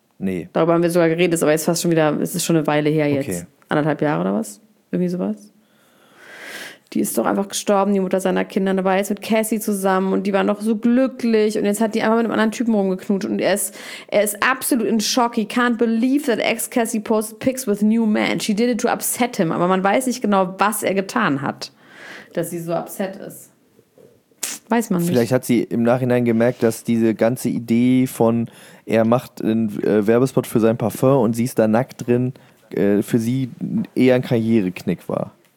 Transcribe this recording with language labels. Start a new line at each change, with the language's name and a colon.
German: Nee. Darüber haben wir sogar geredet, ist aber jetzt fast schon wieder, es ist schon eine Weile her jetzt. Okay. 1,5 Jahre oder was? Irgendwie sowas. Die ist doch einfach gestorben, die Mutter seiner Kinder. Und da war jetzt mit Cassie zusammen und die waren doch so glücklich. Und jetzt hat die einfach mit einem anderen Typen rumgeknutscht. Und er ist absolut in Schock.
English: He can't believe that ex-Cassie posted pics with new man. She did it to upset him.
German: Aber man weiß nicht genau, was er getan hat. Dass sie so upset ist. Weiß man nicht. Vielleicht hat sie im Nachhinein gemerkt, dass diese ganze Idee von, er macht einen Werbespot für sein Parfum und sie ist da nackt drin, für sie eher ein Karriereknick war.